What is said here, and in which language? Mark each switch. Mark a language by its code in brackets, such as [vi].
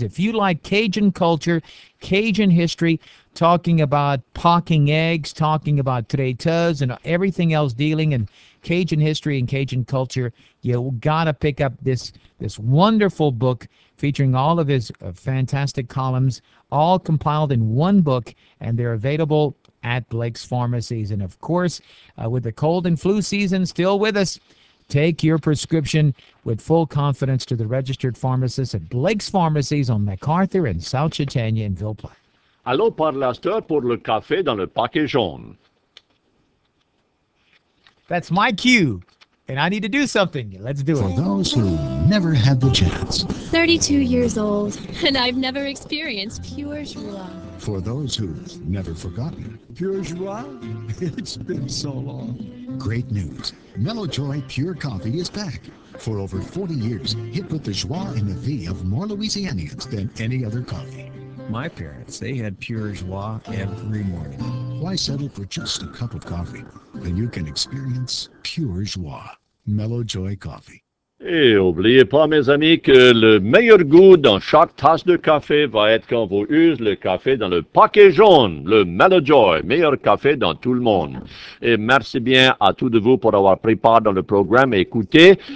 [en] If you like Cajun culture, Cajun history, talking about pocking eggs, talking about traiteurs and everything else dealing in Cajun history and Cajun culture, you gotta pick up this wonderful book featuring all of his fantastic columns, all compiled in one book, and they're available at Blake's Pharmacies. And of course, with the cold and flu season still with us, take your prescription with full confidence to the registered pharmacist at Blake's Pharmacies on MacArthur and South Chitanya in Ville Platte. [fr] Allô, parlasteur pour le café dans le paquet jaune. [en] That's my cue, and I need to do something. Let's do it. For those who never had the chance. 32 years old, and I've never experienced pure joie. For those who've never forgotten. Pure joie? It's been so long. Great news. Mellow Joy Pure Coffee is back. For over 40 years, it put the joie in the V of more Louisianians than any other coffee. My parents, they had pure joie every morning. Why settle for just a cup of coffee when you can experience pure joie? Mellow Joy Coffee. [fr] Et n'oubliez pas, mes amis, que le meilleur goût dans chaque tasse de café va être quand vous usez le café dans le paquet jaune, le Mellow Joy, meilleur café dans tout le monde. Et merci bien à tous de vous pour avoir pris part dans le programme et écouté.